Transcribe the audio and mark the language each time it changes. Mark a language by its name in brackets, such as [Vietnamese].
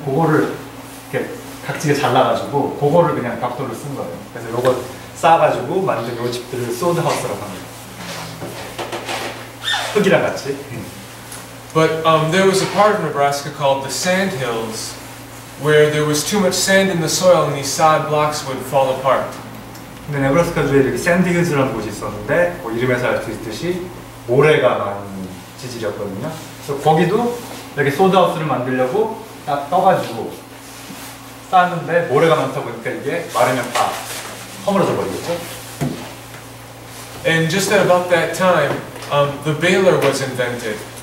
[Korean] 그거를 이렇게 각지게 잘라가지고 그거를 그냥 벽돌로 쓴 거예요. 그래서 요거 쌓아가지고 만든 요 집들을 소드 하우스라고 합니다. 흙이랑 같이. [English] But there was a part of Nebraska called the sand hills where there was too much sand in the soil and these sod blocks would fall apart. [Korean] 근데 네브라스카 주에 이렇게 샌드 힐즈라는 곳이 있었는데 뭐 이름에서 알 수 있듯이 모래가 많은 지질이었거든요. 그래서 거기도 이렇게 소드 하우스를 만들려고 딱 떠가지고 쌓았는데 모래가 많다 보니까 이게 마르면 다 허물어져 버리겠죠. [English] And just at about that time, the baler was invented.